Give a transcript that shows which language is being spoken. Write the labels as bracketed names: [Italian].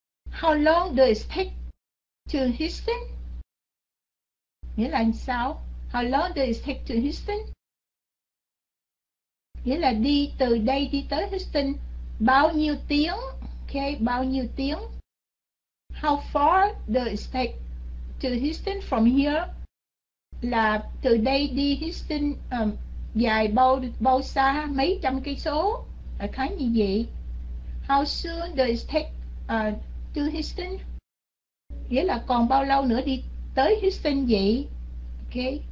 [English] How long does it take to Houston? [Vietnamese] Nghĩa là sao? [English] How long does it take to Houston? [Vietnamese] Nghĩa là đi từ đây đi tới Houston bao nhiêu tiếng? Okay, bao nhiêu tiếng? [English] How far does it take to Houston from here? [Vietnamese] Là từ đây đi Houston dài bao xa, mấy trăm cây số? Là khá như vậy. [English] How soon does it take to Houston? [Vietnamese] Nghĩa là còn bao lâu nữa đi tới Houston vậy? Okay.